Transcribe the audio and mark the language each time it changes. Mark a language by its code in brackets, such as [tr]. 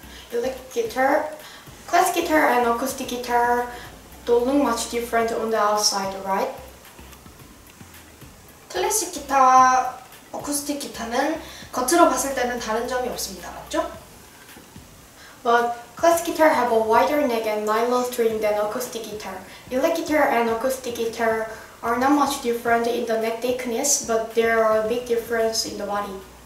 [en] Compared to electric guitar, classic guitar and acoustic guitar don't look much different on the outside, right? [ko] 클래식 기타와 아쿠스틱 기타는 겉으로 봤을 때는 다른 점이 없습니다. 맞죠? [en] But classic guitar have a wider neck and nylon string than acoustic guitar. Electric guitar and acoustic guitar are not much different in the neck thickness, but there are a big difference in the body.